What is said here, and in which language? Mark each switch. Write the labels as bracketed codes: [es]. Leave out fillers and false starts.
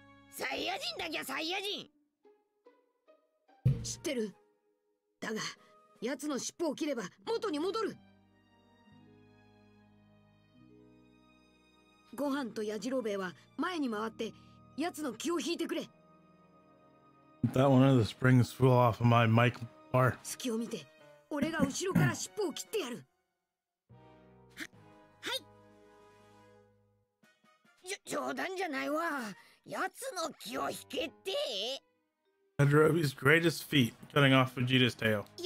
[ja] サイヤ人だけはサイヤ人。知ってる。だが、やつの尻尾を切れば元に戻る。ご飯とやじろべは前に回って、やつの気を引いてくれ。 [en] That one of the springs fell off of my mic bar. [ja] 隙を見て、俺が後ろから尻尾を切ってやる。冗談じゃないわ。やつの気を引けて。 [en] Adrobi's greatest feat, cutting off Vegeta's tail.